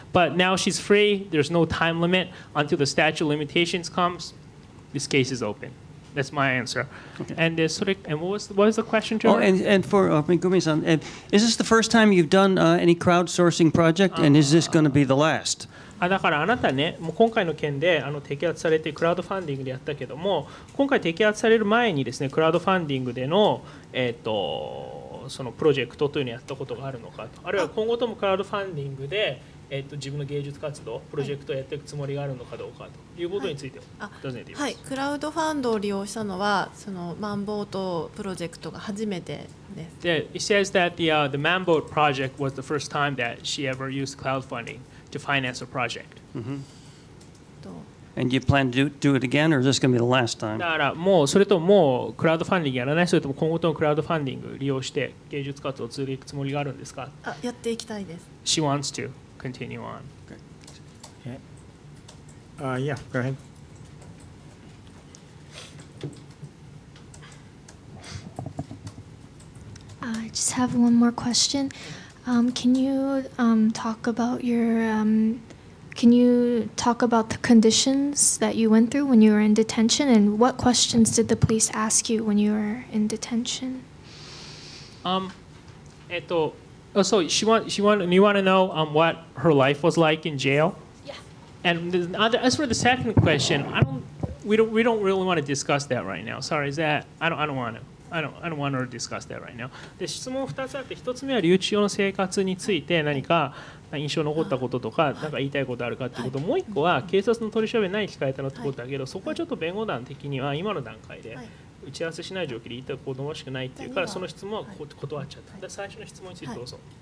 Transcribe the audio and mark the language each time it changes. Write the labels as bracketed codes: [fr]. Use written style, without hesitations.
[en] But now she's free, there's no time limit. Until the statute of limitations comes, this case is open. That's my answer. Okay. And what was the question, Jerry? And for Megumi-san, is this the first time you've done any crowdsourcing project, and is this going to be the last? [ja] だからあなたね、もう今回の件で、摘発されてクラウドファンディングでやったけども、今回摘発される前にですね、クラウドファンディングでの、えっと、そのプロジェクトというのをやったことがあるのかと、あるいは今後ともクラウドファンディングで、自分の芸術活動プロジェクトをやっていくつもりがあるのかどうかということについて尋ねています、はいはい、クラウドファンドを利用したのはそのマンボートプロジェクトが初めてです [en] 。 He says that the Manboat project was the first time that she ever used crowdfunding to finance a project、 mm-hmm. And you plan to do it again or is this going to be the last time? [ja] だからもうそれともうクラウドファンディングやらない、それとも今後ともクラウドファンディングを利用して芸術活動を続けていくつもりがあるんですか。あ、やっていきたいです。 [en] She wants toContinue on. Okay. Yeah, go ahead. I just have one more question. Can you talk about your, can you talk about the conditions that you went through when you were in detention, and what questions did the police ask you when you were in detention? So you want to know what her life was like in jail? Yeah. And as for the second question, we don't really want to discuss that right now. Sorry, is that I don't want to discuss that right now. [ja] で、質問2つあって、1つ目は留置所の生活について何か印象残ったこととか何か言いたいことあるかということ。もう1個は警察の取り調べ何聞かれたのってことだけど、そこはちょっと弁護団的には今の段階で。打ち合わせしない状況で言ったら子供しかないっていうから、その質問は断っちゃった、はい、で最初の質問についてどうぞ。